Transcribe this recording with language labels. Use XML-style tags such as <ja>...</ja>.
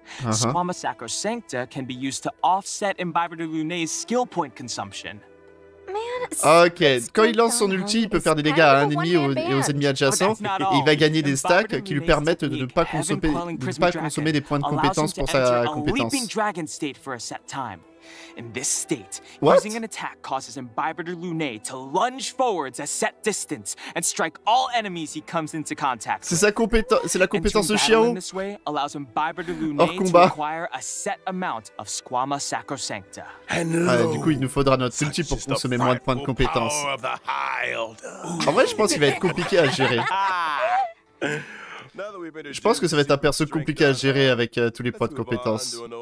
<en>Squama Sacrosancta can be used to offset Imbibitor Lunae's skill point consumption.</en> <fr>Ok, quand il lance son ulti, il peut faire des dégâts à un ennemi et aux ennemis adjacents, et il va gagner des stacks qui lui permettent de ne pas consommer, des points de compétence pour sa compétence.</fr> <en>In this state, using an attack causes Imbibitor Lunae to lunge forwards a set distance and strike all enemies he comes into contact with.</en> <fr>C'est sa compétence, c'est la compétence de chien.</fr> <en>This way allows Imbibitor Lunae to acquire a set amount of Squama Sacrosancta.</en> <fr>Du coup, il nous faudra notre ulti pour consommer moins de points de compétence. En vrai, je pense qu'il va être compliqué à gérer. Je pense que ça va être un perso compliqué à gérer avec tous les points de compétence.</fr>